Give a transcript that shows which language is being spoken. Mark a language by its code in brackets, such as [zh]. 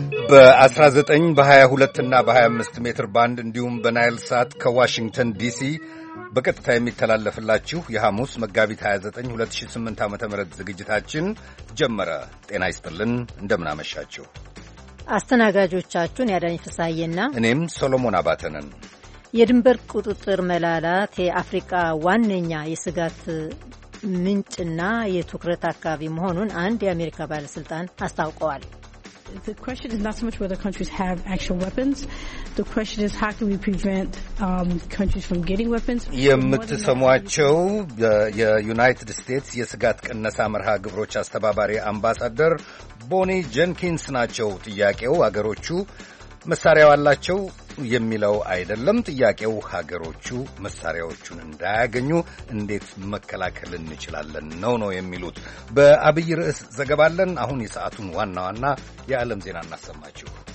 [am] በ19 በ22 እና በ25 ሜትር ባንድ እንዲሁም በናይል ሳት ከዋሽንግተን ዲሲ በቀጥታ የሚተላለፍላችሁ የሐሙስ መጋቢት 29 2008 ዓ ም ዝግጅታችን ጀመረ። ጤና ይስጥልን፣ እንደምናመሻችሁ። አስተናጋጆቻችሁን ያዳኝ ፍሳዬና እኔም ሶሎሞን አባተንን። የድንበር ቁጥጥር መላላት የአፍሪቃ ዋነኛ የስጋት ምንጭና የትኩረት አካባቢ መሆኑን አንድ የአሜሪካ ባለሥልጣን አስታውቀዋል። [en] The question is not so much whether countries have actual weapons. The question is how can we prevent countries from getting weapons? [am] የምትሰሟቸው የዩናይትድ ስቴትስ የስጋት ቅነሳ መርሃ ግብሮች አስተባባሪ አምባሳደር ቦኒ ጀንኪንስ ናቸው። ጥያቄው አገሮቹ መሳሪያው አላቸው የሚለው አይደለም። ጥያቄው ሀገሮቹ መሳሪያዎቹን እንዳያገኙ እንዴት መከላከል እንችላለን ነው የሚሉት። በአብይ ርዕስ ዘገባለን። አሁን የሰዓቱን ዋና ዋና የዓለም ዜና እናሰማችሁ።